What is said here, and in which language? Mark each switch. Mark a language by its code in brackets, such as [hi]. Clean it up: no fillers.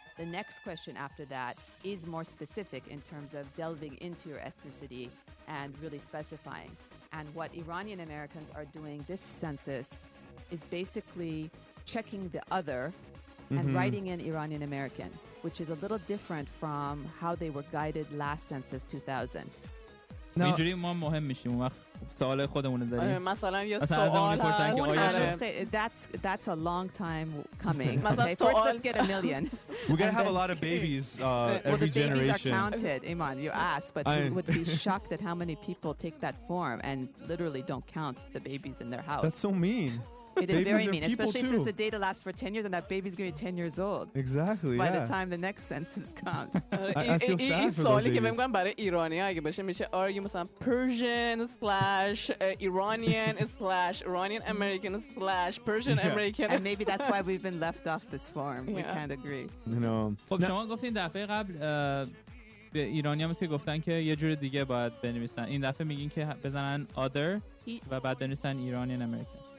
[en] The next question after that is more specific in terms of delving into your ethnicity and really specifying. And what Iranian Americans are doing this census is basically checking the other and writing in Iranian American, which is a little different from how they were guided last census 2000. [fa] Now, اینجوری ما مهم میشیم وقت سوال خودمونه داریم. مثلا یه سوال هست. [en] That's a long time coming. Okay, first let's get a million. We're going to have a lot of babies every generation. Well, the babies are counted, Iman, you asked, but you would be shocked at how many people take that form and literally don't count the babies in their house. That's so mean. It is very mean, especially since the data lasts for 10 years and that baby's going to be 10 years old. Exactly. By the time the next census comes. I feel sad for those babies. This question is about Iranian. If you are, you know, Persian / Iranian / Iranian American / Persian American. And maybe that's why we've been left off this form. We can't agree. [fa] خب شما گفتین دفعه قبل به ایرانی هم که گفتن که یه جور دیگه باید بنویسن. این دفعه میگین که بزنن other و بعد بنویسن Iranian American.